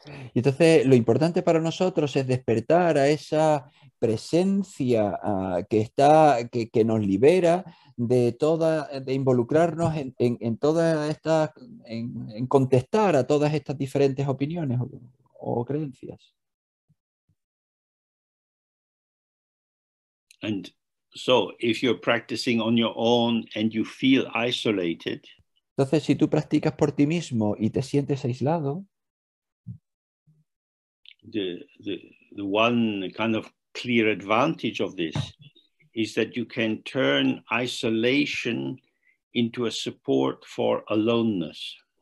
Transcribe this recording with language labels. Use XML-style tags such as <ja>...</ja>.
<es>Y entonces lo importante para nosotros es despertar a esa presencia que nos libera de involucrarnos en todas estas en contestar a todas estas diferentes opiniones o creencias.</es> <en>And so if you're practicing on your own and you feel isolated,</en> <es>entonces si tú practicas por ti mismo y te sientes aislado,</es> <en>the one kind of clear advantage of this is that you can turn isolation into a support for aloneness.</en>